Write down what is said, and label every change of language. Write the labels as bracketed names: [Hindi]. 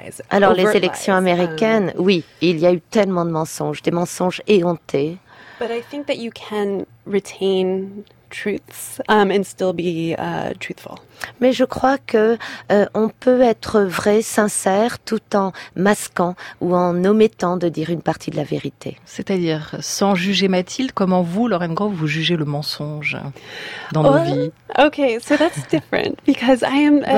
[French] Alors, les élections américaines, oui, il y a eu tellement de mensonges, des mensonges éhontés. [English] But I think that you can retain truths and still be truthful. [French] Mais je crois que on peut être vrai, sincère, tout en masquant ou en omettant de dire une partie de la vérité. C'est-à-dire, sans juger Mathilde, comment vous, Lorraine Grove, vous jugez le mensonge dans nos vies? [English] Okay, so that's different because I am.